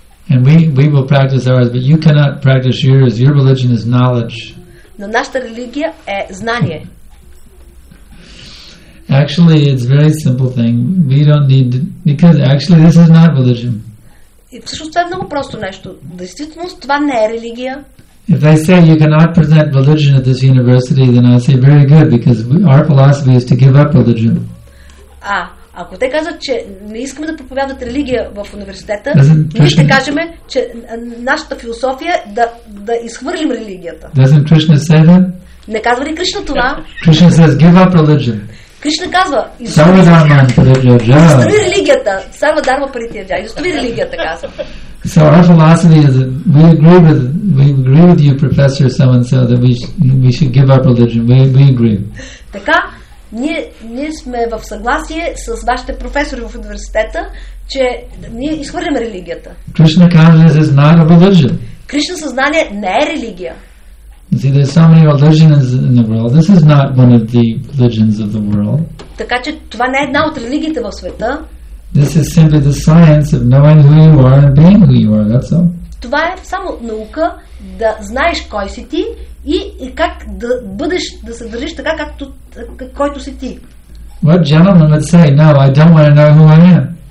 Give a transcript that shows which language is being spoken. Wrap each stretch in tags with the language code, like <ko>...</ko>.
<en>And we will practice ours, but you cannot practice yours. Your religion is knowledge.</en> <bg>Но нашата религия е знание.</bg> <en>Actually, it's a very simple thing. We don't need to, because actually this is not religion.</en> <bg>И всъщност това е много просто нещо. Действително, това не е религия.</bg> <en>If they say you cannot present religion at this university, then I say very good, because our philosophy is to give up religion.</en> <bg>Ако те казват, че не искаме да проповядват религия в университета, ние ще кажем, че нашата философия е да изхвърлим религията.</bg> <en>Doesn't Krishna say that?</en> <bg>Не казва ли Кришна това?</bg> <en>Krishna says give up religion.</en> <bg>Кришна казва, изостави религията.</bg> <sa>Сарва дарма паритияджа.</sa> <bg>Изостави религията, казва.</bg> <en>So our philosophy is that we agree with you, Professor, so-and-so, that we should give up religion. We agree.</en> <bg>Така, ние сме в съгласие с вашите професори в университета, че ние изхвърляме религията.</bg> <en>Krishna consciousness is not a religion.</en> <bg>Кришна съзнание не е религия.</bg> <en>See, there's so many religions in the world. This is not one of the religions of the world.</en> <bg>Така че това не е една от религиите в света.</bg> <en>This is simply the science of knowing who you are and being who you are. That's all.</en> <bg>Това е само наука да знаеш кой си ти и как да бъдеш, да се държиш така, както който си ти.</bg> <en>What gentleman would say, no, I don't want to know who I am.</en>